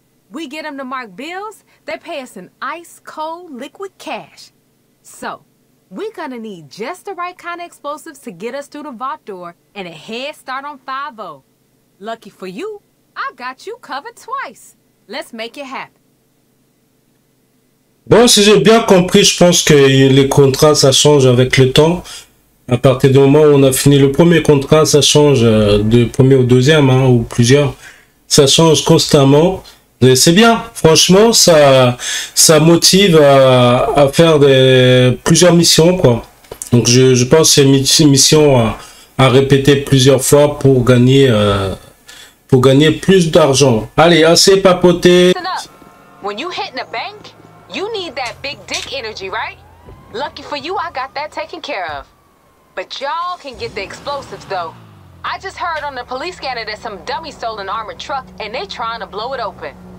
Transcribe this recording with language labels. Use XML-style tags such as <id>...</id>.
<en>We get them to mark bills, they pay us in ice cold liquid cash. So, we gonna need just the right kind of explosives to get us through the vault door and a head start on 5-0. Lucky for you, I got you covered twice. Let's make it happen.</en> <fr>Bon, si j'ai bien compris, je pense que les contrats, ça change avec le temps. À partir du moment où on a fini le premier contrat, ça change de premier au deuxième, hein, ou plusieurs. Ça change constamment. C'est bien, franchement, ça motive à faire plusieurs missions, quoi. Donc, je pense que c'est une mission à répéter plusieurs fois pour gagner plus d'argent. Allez, assez papoté.</fr> <en>When you hit the bank, you need that big dick energy, right? Lucky for you, I got that taken care of. But y'all can get the explosives, though. I just heard on the police scanner that some dummy stole an armored truck and they trying to blow it open.</en>